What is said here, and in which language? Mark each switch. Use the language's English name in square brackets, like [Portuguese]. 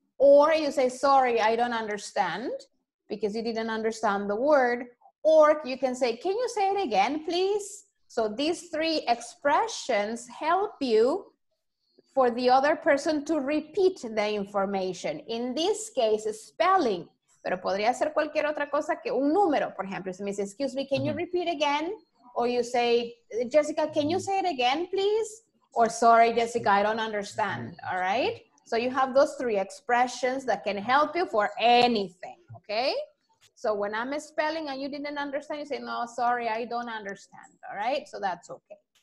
[English] Or you say, sorry, I don't understand, because you didn't understand the word. Or you can say, can you say it again, please? So these three expressions help you for the other person to repeat the information. In this case, spelling. [Spanish] Pero podría ser cualquier otra cosa que un número, por ejemplo. [English] So [Spanish] me dice, [English] excuse me, can you repeat again? Or you say, Jessica, can you say it again, please? Or sorry, Jessica, I don't understand, all right? So you have those three expressions that can help you for anything, okay? So when I'm spelling and you didn't understand, you say, no, sorry, I don't understand, all right? So that's okay.